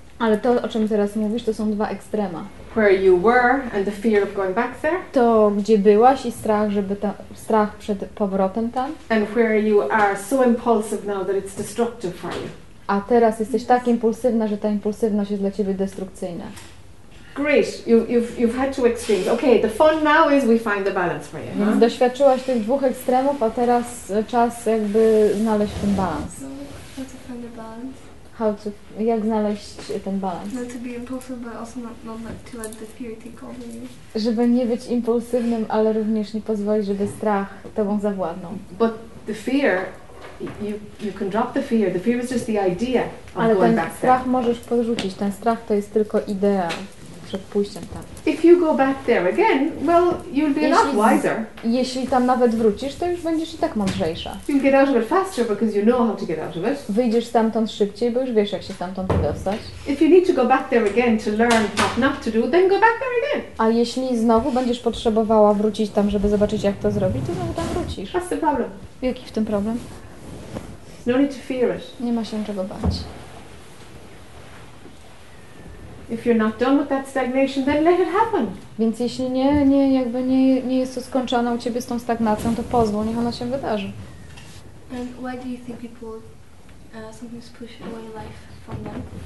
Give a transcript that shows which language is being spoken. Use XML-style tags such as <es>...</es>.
<pl>Ale to, o czym teraz mówisz, to są dwa ekstrema.</pl> <en>Where you were and the fear of going back there.</en> <pl>To gdzie byłaś i strach, żeby ta, strach przed powrotem tam.</pl> <en>And where you are so impulsive now that it's destructive for you.</en> <pl>A teraz jesteś tak impulsywna, że ta impulsywność jest dla ciebie destrukcyjna.</pl> <en>Great, you've had two extremes. Okay, the fun now is we find the balance for you.</en> <pl>Więc doświadczyłaś tych dwóch ekstremów, a teraz czas jakby znaleźć ten balans.</pl> <en>How to find the balance? How to,</en> <pl>jak znaleźć ten balans?</pl> <en>Not to be impulsive, but also not to let the fear take over you.</en> <pl>Żeby nie być impulsywnym, ale również nie pozwolić, żeby strach tobą zawładnął.</pl> <en>But the fear, you can drop the fear. The fear is just the idea of going back there.</en> <pl>Ale ten strach możesz porzucić. Ten strach to jest tylko idea przed pójściem tam.</pl> <en>If you go back there again, well, you'll be a lot wiser.</en> <pl>Jeśli tam nawet wrócisz, to już będziesz i tak mądrzejsza.</pl> <en>You'll get out of it faster because you know how to get out of it.</en> <pl>Wyjdziesz stamtąd szybciej, bo już wiesz, jak się stamtąd wydostać.</pl> <en>If you need to go back there again to learn what not to do, then go back there again.</en> <pl>A jeśli znowu będziesz potrzebowała wrócić tam, żeby zobaczyć, jak to zrobić, to znowu tam wrócisz.</pl> <en>What's the problem?</en> <pl>Jaki w tym problem?</pl> <en>No need to fear it.</en> <pl>Nie ma się czego bać.</pl> <en>If you're not done with that stagnation, then let it happen.</en> <pl>Więc jeśli nie jest to skończone u ciebie z tą stagnacją, to pozwól, niech ona się wydarzy.</pl> <en>And why do you think people sometimes push away life from them?</en>